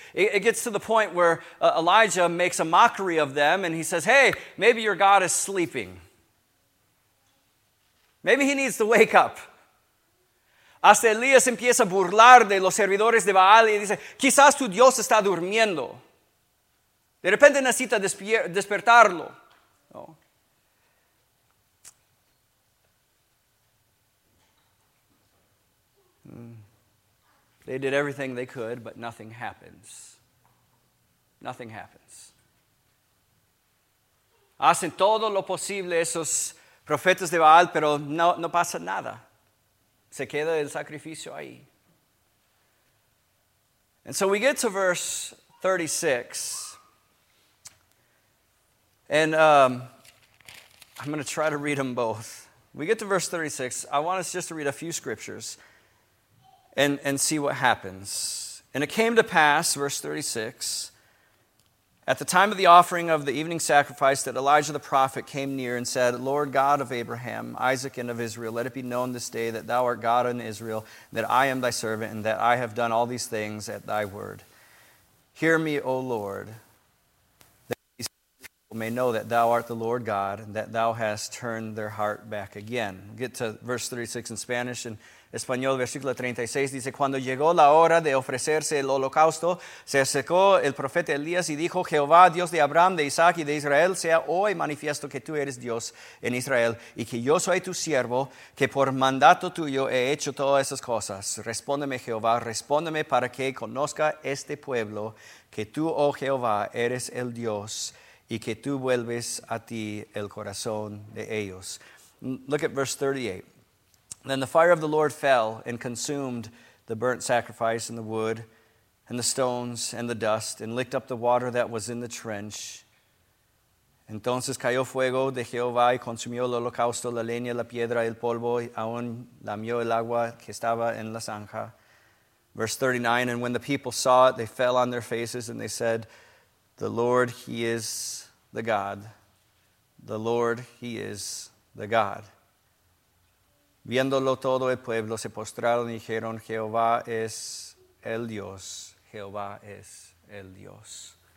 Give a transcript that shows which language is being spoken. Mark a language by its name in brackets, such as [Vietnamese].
[English] It gets to the point where Elijah makes a mockery of them and he says, hey, maybe your God is sleeping. Maybe he needs to wake up. [Spanish] Hasta Elías empieza a burlar de los servidores de Baal y dice, quizás tu Dios está durmiendo. De repente necesita despertarlo. No. [English] They did everything they could, but nothing happens. Nothing happens. [Spanish] Hacen todo lo posible esos profetas de Baal, pero no pasa nada. Se queda el sacrificio ahí. [English] And so we get to verse 36. And I'm going to try to read them both. We get to verse 36. I want us just to read a few scriptures and see what happens. And it came to pass, verse 36, at the time of the offering of the evening sacrifice, that Elijah the prophet came near and said, Lord God of Abraham, Isaac, and of Israel, let it be known this day that thou art God in Israel, that I am thy servant, and that I have done all these things at thy word. Hear me, O Lord, that these people may know that thou art the Lord God, and that thou hast turned their heart back again. Get to verse 36 in Spanish and [Spanish] Español, versículo 36, dice, cuando llegó la hora de ofrecerse el holocausto, se acercó el profeta Elías y dijo, Jehová, Dios de Abraham, de Isaac y de Israel, sea hoy manifiesto que tú eres Dios en Israel y que yo soy tu siervo, que por mandato tuyo he hecho todas esas cosas. Respóndeme, Jehová, respóndeme para que conozca este pueblo que tú, oh Jehová, eres el Dios y que tú vuelves a ti el corazón de ellos. [English] Look at verse 38. Then the fire of the Lord fell and consumed the burnt sacrifice and the wood and the stones and the dust and licked up the water that was in the trench. [Spanish] Entonces cayó fuego de Jehová y consumió el holocausto, la leña, la piedra, el polvo, y aún lamió el agua que estaba en la zanja. [English] Verse 39, and when the people saw it, they fell on their faces and they said, the Lord, he is the God. The Lord, he is the God. [Spanish] Viéndolo todo el pueblo, se postraron y dijeron, Jehová es el Dios, Jehová es el Dios.